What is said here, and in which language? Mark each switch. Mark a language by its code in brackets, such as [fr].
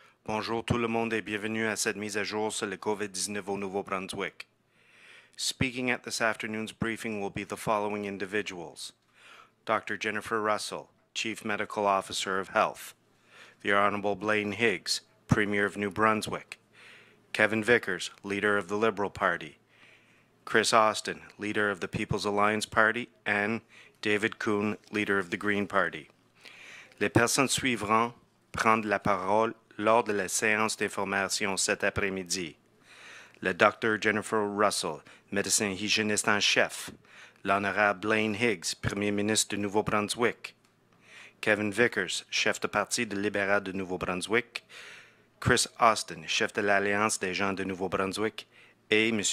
[fr] Bonjour tout le monde et bienvenue à cette mise à jour sur le COVID-19 au Nouveau-Brunswick. [en] Speaking at this afternoon's briefing will be the following individuals: Dr. Jennifer Russell, Chief Medical Officer of Health; the Honourable Blaine Higgs, Premier of New Brunswick; Kevin Vickers, Leader of the Liberal Party; Kris Austin, Leader of the People's Alliance Party; and David Coon, Leader of the Green Party. [fr] Les personnes suivantes prendront la parole lors de la séance d'information cet après-midi: le Dr. Jennifer Russell, médecin hygiéniste en chef; l'honorable Blaine Higgs, Premier ministre de Nouveau-Brunswick; Kevin Vickers, chef de parti de libéral de Nouveau-Brunswick; Kris Austin, chef de l'Alliance des gens de Nouveau-Brunswick; et M.